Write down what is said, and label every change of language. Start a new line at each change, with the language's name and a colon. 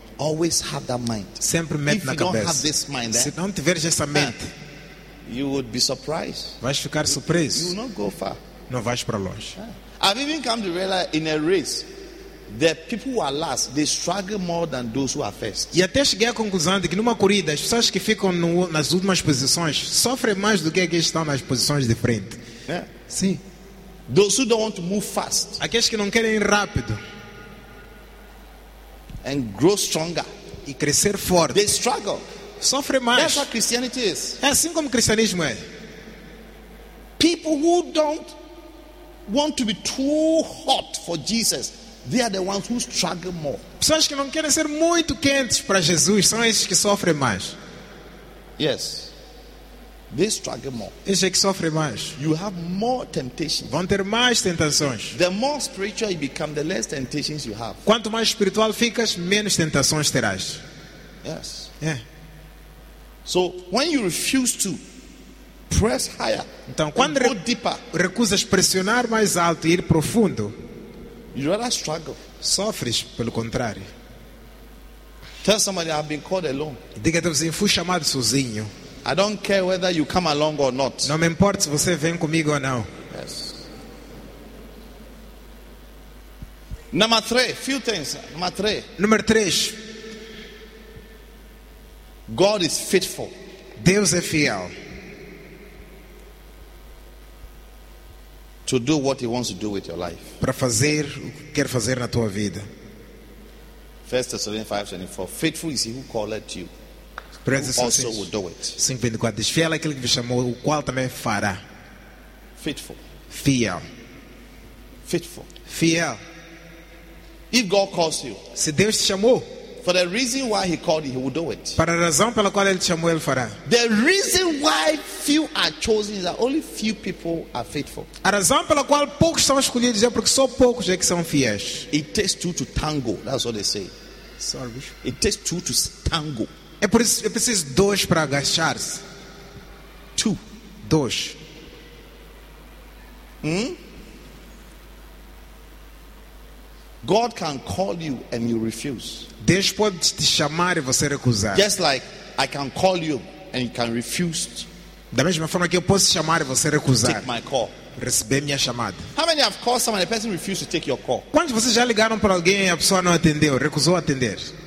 English: Always have that mind.
Portuguese: Sempre mete
English: if
Portuguese: na
English: you
Portuguese: cabeça.
English: Don't have this mind,
Portuguese: se não tiveres essa mente,
English: you would be surprised.
Portuguese: Vais ficar surpreso.
English: You will not go far.
Portuguese: Não vais para longe.
English: I've even come to realize in a race, the people who are last, they struggle more than those who are first.
Portuguese: E até cheguei à conclusão de que numa corrida, as pessoas que ficam no, nas últimas posições sofrem mais do que aqueles que estão nas posições de frente.
English: Yeah.
Portuguese: Sim.
English: Those who don't want to move fast.
Portuguese: Aqueles que não querem ir rápido.
English: And grow stronger.
Portuguese: E crescer forte.
English: They struggle.
Portuguese: Sofrem mais.
English: That's what Christianity is.
Portuguese: É assim como o cristianismo é.
English: People who don't want to be too hot for Jesus, they are the ones who struggle more.
Portuguese: Pessoas que não querem ser muito quentes para Jesus são esses que sofrem mais.
English: Yes. They struggle more.
Portuguese: Esses é que sofrem mais.
English: You have more temptations.
Portuguese: Vão ter mais tentações.
English: The more spiritual you become, the less temptations you have.
Portuguese: Quanto mais espiritual ficas, menos tentações terás.
English: Yes. Yeah. So when you refuse to press higher,
Portuguese: então quando
English: go deeper,
Portuguese: recusas pressionar mais alto e ir profundo,
English: you rather struggle.
Portuguese: Sofres pelo contrário.
English: Tell somebody I've been called alone.
Portuguese: Diga a teu vizinho, fui chamado sozinho.
English: I don't care whether you come along or not.
Portuguese: Não me importa se você vem comigo ou não.
English: Yes. Number three, few things. Number three.
Portuguese: Número três.
English: God is faithful.
Portuguese: Deus é fiel.
English: To do what He wants to do with your life.
Portuguese: Para fazer o que quer fazer na tua vida.
English: 1 Thessalonians 5:24. Faithful is He who called you.
Portuguese: Sim, fiel é aquele que me chamou, o qual também fará.
English: Faithful.
Portuguese: Fiel.
English: Faithful.
Portuguese: Fiel.
English: If God calls you,
Portuguese: se Deus te chamou,
English: for the reason why He called you, He will do it.
Portuguese: Para a razão pela qual Ele te chamou, Ele fará.
English: The reason why few are chosen is that only few people are faithful.
Portuguese: A razão pela qual poucos são escolhidos é porque só poucos é que são fiéis.
English: It takes two to tango. That's what they say. Sorry. It takes two to tango.
Portuguese: É por isso que eu preciso de dois para agachar-se.
English: Two.
Portuguese: Dois. Hmm?
English: God can call you and you refuse.
Portuguese: Deus pode te chamar e você recusar.
English: Just like I can call you and you can refuse.
Portuguese: Da mesma forma que eu posso chamar e você recusar.
English: Take my call.
Portuguese: Receber minha chamada.
English: How many have called someone and the person refused to take your call?
Portuguese: Quantos vocês já ligaram para alguém e a pessoa não atendeu, recusou atender?